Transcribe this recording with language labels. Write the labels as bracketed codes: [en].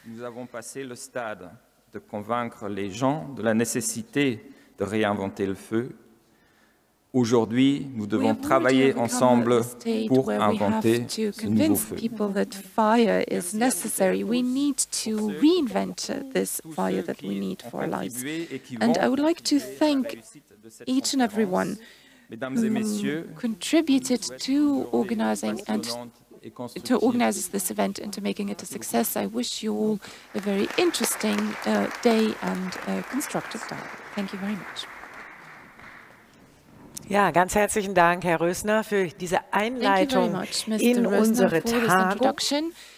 [fr] Nous avons passé le stade de convaincre les gens de la nécessité de réinventer le feu. Aujourd'hui, nous devons travailler ensemble pour inventer ce nouveau feu. [en] We have to convince people that fire is necessary. We need to reinvent this fire that we need for our lives. And I would like to thank each and everyone who contributed to organizing and to organize this event and to making it a success. I wish you all a very interesting day and a constructive dialogue. Thank you very much. [de] Ja, ganz herzlichen Dank, Herr Rösner, für diese Einleitung in unsere Tagung.